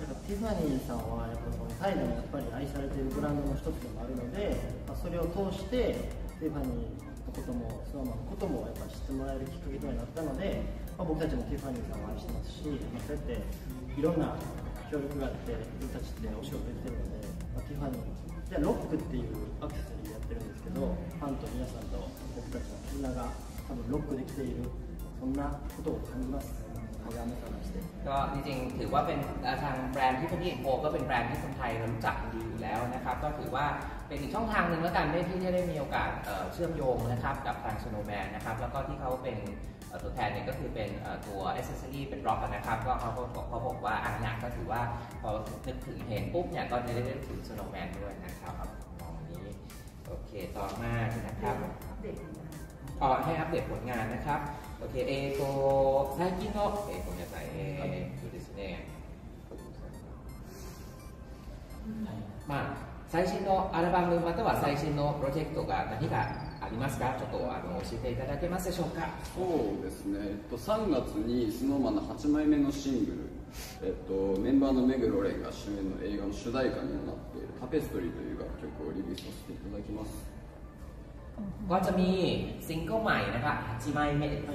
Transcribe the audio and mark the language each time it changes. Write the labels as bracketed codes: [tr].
[ja] ティファニーさんはやっぱそのタイでもやっぱり愛されているブランドの一つでもあるので、まあ、それを通してティファニーのこともスノーマンのこともやっぱ知ってもらえるきっかけとなったのでまあ、僕たちもティファニーさんを愛してますし、まあ、そうやっていろんな協力があって僕たちってお仕事できてるので、まあ、ティファニーではロックっていうアクセサリーをやってるんですけど、ファンと皆さんと僕たちの絆が多分ロックできているそんなことを感じます。 [th] ก็จริงๆถือว่าเป็นทางแบรนด์ที่พี่โอก็เป็นแบรนด์ที่คนไทยรู้จักดีอยู่แล้วนะครับก็ถือว่าเป็นอีกช่องทางหนึ่งแล้วกันที่ได้มีโอกาสเชื่อมโยงนะครับกับทางสโนว์แมนนะครับแล้วก็ที่เขาเป็น ตัวแทนเนี่ยก็คือเป็นตัวแอคเซสซอรีเป็นร็อกนะครับก็เขาบอกว่าอันนั้นก็ถือว่าพอนึกถึงเห็นปุ๊บเนี่ยก็จะได้ถึงสโนว์แมนด้วยนะครับตอนนี้โอเคต่อมานะครับขอให้อัปเดตผลงานนะครับโอเค [ja] 最近のこの野菜ですね。まあ最新のアルバムまたは最新のプロジェクトが何かありますか？ちょっと教えていただけますでしょうか？そうですね。 3月にスノーマンの8枚目のシングル、メンバーの目黒蓮が主演の映画の主題歌になっているタペストリーという楽曲をリリースさせていただきます。 [th] ก็จะมีซิงเกิลใหม่นะครับ8枚目